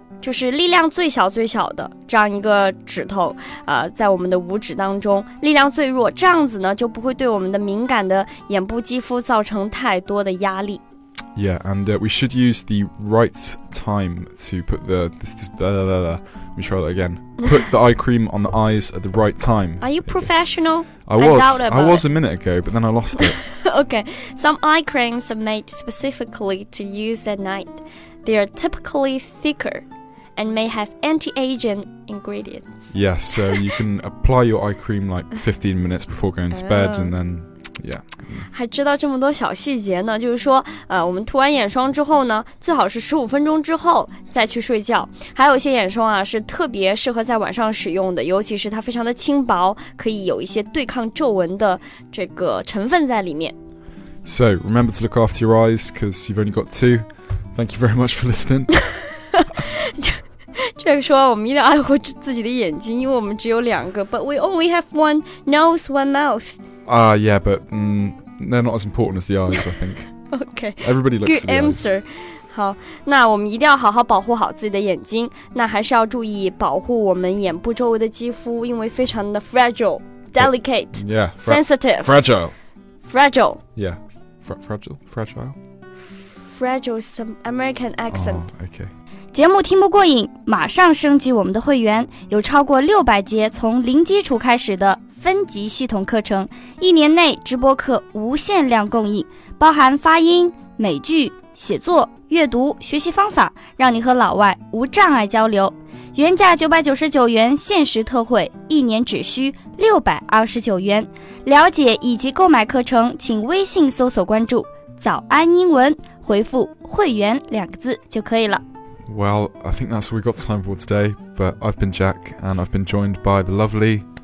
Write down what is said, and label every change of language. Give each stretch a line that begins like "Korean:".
Chinese: 就是力量最小最小的这样一个指头，在我们的五指当中力量最弱，这样子呢就不会对我们的敏感的眼部肌肤造成太多的压力。
English: Yeah, and we should use the right time to put the... Let me try that again. Put the eye cream on the eyes at the right time. Are you professional? I was a minute ago, but then I lost it. Okay, some eye creams are made specifically to use at night. They are typically thicker and may have anti-aging ingredients. Yes, yeah, so you can apply your eye cream like 15 minutes before going to bed and then... Yeah.
Chinese: 还知道这么多小细节呢，就是说我们涂完眼霜之后呢，最好是15分钟之后再去睡觉。还有一些眼霜啊，是特别适合在晚上使用的，尤其是它非常的轻薄，可以有一些对抗皱纹的这个成分在里面。
English: So remember to look after your eyes, because you've only got two. Thank you very much for listening.
Chinese: 这个说我们一定要爱护自己的眼睛，因为我们只有两个。
English: But we only have one nose, one mouth Yeah, but they're not as important as the eyes, I think. Okay. Everybody looks good. Good answer.
Chinese: 好，那我们一定要好好保护好自己的眼睛。那还是要注意保护我们眼部周围的肌肤，因为非常的
English: fragile, delicate, but, yeah, sensitive, fragile, fragile. Yeah, fragile. Fragile is some American accent. Oh, okay.
Chinese: 节目听不过瘾，马上升级我们的会员，有超过600节从零基础开始的分级系统课程，一年内直播课无限量供应，包含发音、美剧、写作、阅读、学习方法，让你和老外无障碍交流。原价999元，限时特惠，一年只需629元。了解以及购买课程，请微信搜索关注早安英文，回复会员两个字就可以了。
English: Well, I think that's all we've got time for today, but I've been Jack, and I've been joined by the lovely...